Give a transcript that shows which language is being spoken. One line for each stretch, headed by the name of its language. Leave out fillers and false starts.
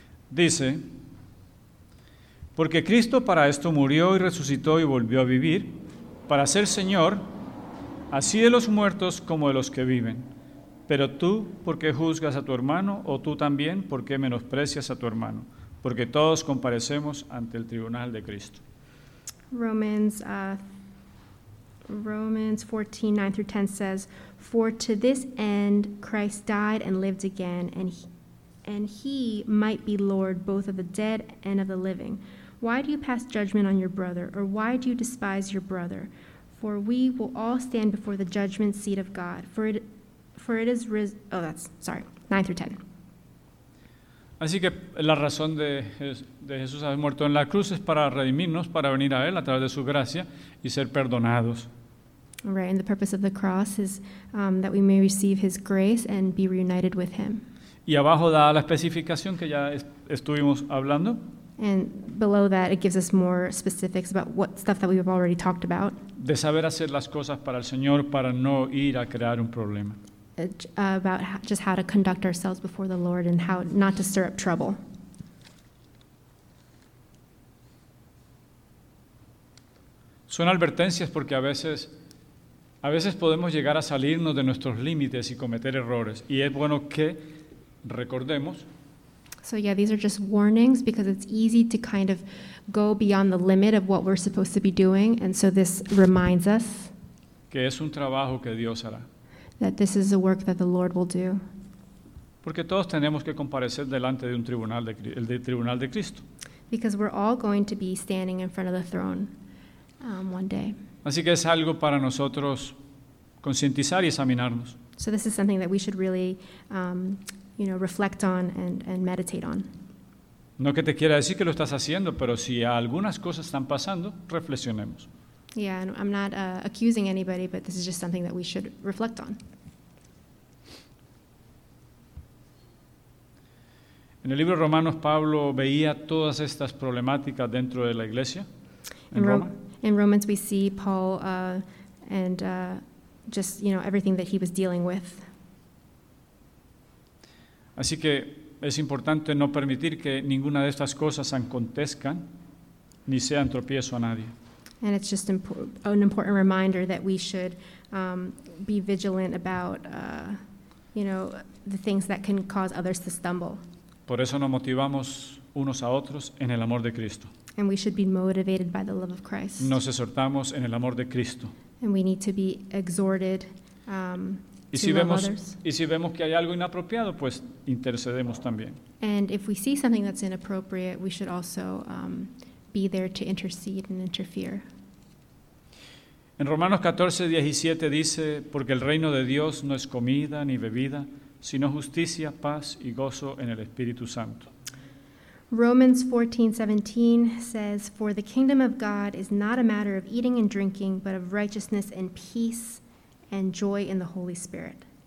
Spanish: Dice, porque Cristo para esto murió y resucitó y volvió a vivir, para ser Señor, así de los muertos como de los que viven. Pero tú, ¿por qué juzgas a tu hermano? ¿O tú también, por qué menosprecias a tu hermano? Porque todos comparecemos ante el tribunal de Cristo.
English: Romans 14, 9 through 10 says, for to this end Christ died and lived again, and he might be Lord both of the dead and of the living. Why do you pass judgment on your brother, or why do you despise your brother? For we will all stand before the judgment seat of God. For it is 9 through 10.
Spanish: Así que la razón de Jesús haber muerto en la cruz es para redimirnos, para venir a Él a través de su gracia y ser perdonados.
English: Right, and the purpose of the cross is that we may receive his grace and be reunited with him.
Spanish: Y abajo da la especificación que ya estuvimos hablando.
English: And below that, it gives us more specifics about what stuff that we've already talked about.
Spanish: De saber hacer las cosas para el Señor para no ir a crear un problema.
English: About just how to conduct ourselves before the Lord and how not to stir up trouble.
Spanish: Son advertencias porque a veces podemos llegar a salirnos de nuestros límites y cometer errores, y es bueno que recordemos.
English: So yeah, these are just warnings because it's easy to kind of go beyond the limit of what we're supposed to be doing, and so this reminds us
Spanish: que es un trabajo que Dios hará.
English: That this is a work that the Lord will do.
Spanish: Porque todos tenemos que comparecer delante de un tribunal del tribunal de Cristo.
English: Because we're all going to be standing in front of the throne one day.
Spanish: Así que es algo para nosotros concientizar y examinarnos.
English: So this is something that we should really, you know, reflect on and meditate on.
Spanish: No que te quiera decir que lo estás haciendo, pero si algunas cosas están pasando, reflexionemos.
English: Yeah, and I'm not accusing anybody, but this is just something that we should reflect on.
Spanish: En el libro de Romanos, Pablo veía todas estas problemáticas dentro de la iglesia, en Roma.
English: In Romans, we see Paul and just, you know, everything that he was dealing with.
Spanish: Así que es importante no permitir que ninguna de estas cosas acontezcan ni sean tropiezo a nadie.
English: And it's just an important reminder that we should be vigilant about, you know, the things that can cause others to stumble.
Spanish: Por eso nos motivamos unos a otros en el amor de Cristo.
English: And we should be motivated by the love of Christ.
Spanish: Nos exhortamos en el amor de Cristo.
English: And we need to be exhorted
Spanish: Y si vemos que hay algo inapropiado, pues intercedemos también.
English: And if we see something that's inappropriate, we should also be there to intercede and interfere.
Spanish: En Romanos 14:17 dice, porque el reino de Dios no es comida ni bebida, sino justicia, paz y gozo en el Espíritu Santo.
English: Romans 14:17 says, for the kingdom of God is not a matter of eating and drinking, but of righteousness and peace and joy in the Holy Spirit.